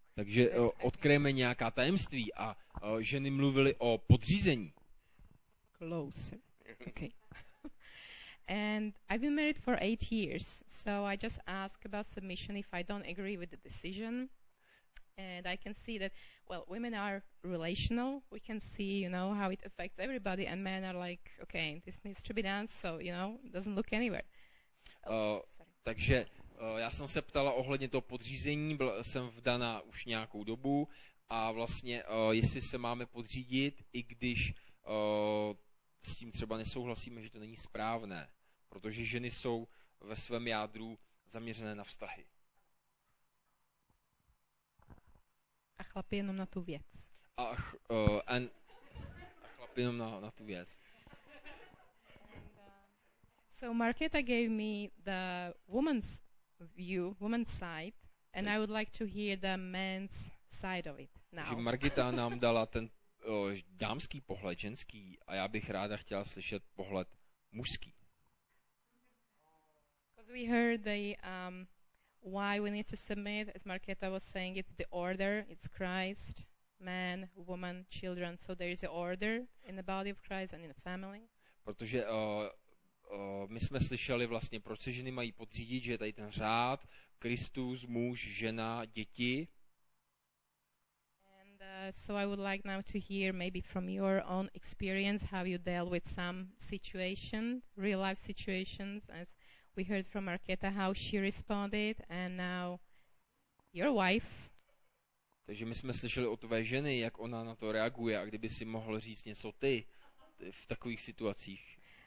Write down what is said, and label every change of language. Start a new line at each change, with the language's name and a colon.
Czech: Takže odkryjeme nějaká tajemství a ženy mluvily o podřízení.
English: Closer. Okay. And I've been married for 8 years, so I just ask about submission if I don't agree with the decision. And I can see that, well, women are relational. We can see, you know, how it affects everybody. And men are like, okay, this needs to be done. So, you know, it doesn't look anywhere. Oh, sorry.
Czech: Takže já jsem se ptala ohledně toho podřízení, byl jsem vdaná už nějakou dobu a vlastně jestli se máme podřídit, i když s tím třeba nesouhlasíme, že to není správné, protože ženy jsou ve svém jádru zaměřené na vztahy. A chlapi jenom na tu věc. A chlapi jenom na tu věc.
English: So Marketa gave me the woman's view, woman's side, and I would like to hear the man's side of it now.
Czech: Margita nám dala ten dámský pohled, ženský, a já bych ráda chtěla slyšet pohled mužský.
English: Because we heard the why we need to submit, as Marketa was saying, it's the order, it's Christ, man, woman, children, so there is an order in the body of Christ and in the family.
Czech: Protože my jsme slyšeli vlastně, proč se ženy mají podřídit, že je tady ten řád, Kristus, muž, žena, děti.
English: And so I would like now to hear maybe from your own experience how you dealt with some situation, real life situations, as we heard from Marketa how she responded, and now your wife.
Czech: Takže my jsme slyšeli o tvé ženy, jak ona na to reaguje, a kdyby si mohl říct něco ty v takových situacích.